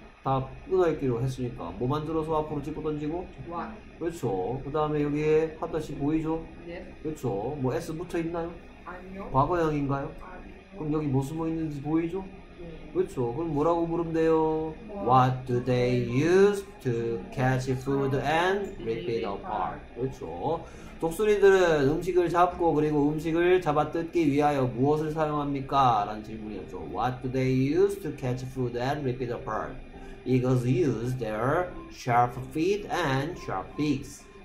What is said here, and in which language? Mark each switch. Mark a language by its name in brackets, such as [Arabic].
[Korean] 다 끊어있기로 했으니까 뭐 만들어서 앞으로 집어 던지고? 와. 그렇죠. 그 다음에 여기에 핫다시 보이죠? 네. 그렇죠. 뭐 S 붙어있나요? 아니요. 과거형인가요? 아니요. 그럼 여기 뭐 숨어있는지 보이죠? 네. 그렇죠. 그럼 뭐라고 부르면 돼요? [English] What do they use to catch food and rip it apart? [Korean] 그렇죠. 독수리들은 음식을 잡고 그리고 음식을 잡아뜯기 위하여 무엇을 사용합니까? 라는 질문이었죠. [English] What do they use to catch food and rip it apart? Eagles use their sharp feet and sharp beaks.